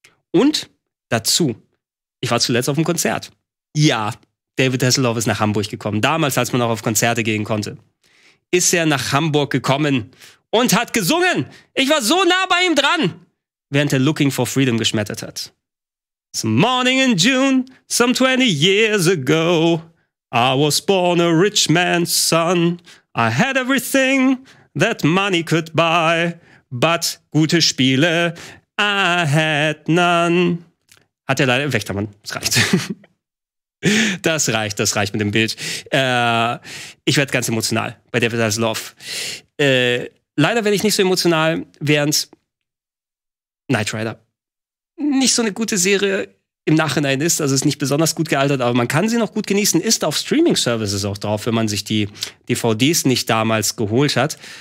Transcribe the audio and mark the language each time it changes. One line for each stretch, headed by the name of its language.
German: Und dazu, ich war zuletzt auf einem Konzert. Ja, David Hasselhoff ist nach Hamburg gekommen. Damals, als man noch auf Konzerte gehen konnte, ist er nach Hamburg gekommen und hat gesungen. Ich war so nah bei ihm dran, während er Looking for Freedom geschmettert hat.
English: Some morning in June, some 20 years ago, I was born a rich man's son. I had everything that money could buy, but
German: gute Spiele,
English: I had none.
German: Hat er leider, Wächtermann, das reicht. Das reicht mit dem Bild. Ich werde ganz emotional bei David Hasselhoff. Leider werde ich nicht so emotional, während Knight Rider nicht so eine gute Serie im Nachhinein ist, also ist nicht besonders gut gealtert, aber man kann sie noch gut genießen, ist auf Streaming-Services auch drauf, wenn man sich die DVDs nicht damals geholt hat.